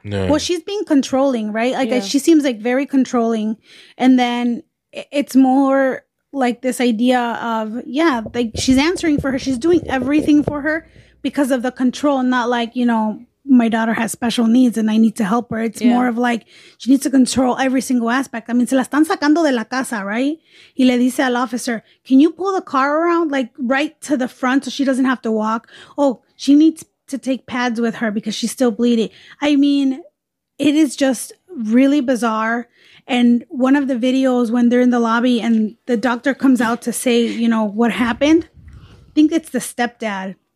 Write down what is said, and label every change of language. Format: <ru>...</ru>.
<en>Well, she's being controlling, right? Like, she seems like very controlling. And then it's more like this idea of, like, she's answering for her. She's doing everything for her because of the control, not like, you know, my daughter has special needs and I need to help her. It's more of like, she needs to control every single aspect. I mean,</en> <es>se la están sacando de la casa, right? Y le dice al</es> <en>officer, can you pull the car around, like, right to the front so she doesn't have to walk? Oh, she needs to take pads with her because she's still bleeding. I mean, it is just really bizarre. And one of the videos, when they're in the lobby and the doctor comes out to say, you know, what happened, I think it's the stepdad.</en>